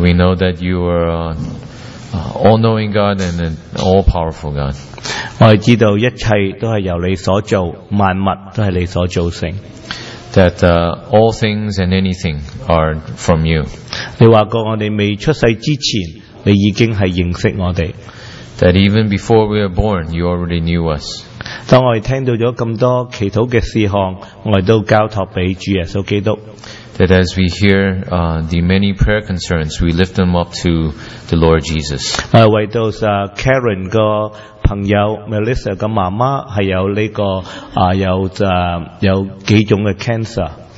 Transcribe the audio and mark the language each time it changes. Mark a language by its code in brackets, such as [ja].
[en] we know that you are all-knowing God and an all-powerful God. [yue] 我哋知道一切都系由你所做，万物都系你所造成。 [en] That all things and anything are from you。 [yue] 你话过我哋未出世之前，你已经系认识我哋。 [en] That even before we were born, you already knew us。 [yue] 当我哋听到咗咁多祈祷嘅事项，我哋都交托俾主耶稣基督。 [en] That as we hear the many prayer concerns, we lift them up to the Lord Jesus。 [yue] 为 [en] those [yue] Karen 个。朋友 Melissa 嘅媽媽係有呢、這個有幾種嘅 cancer。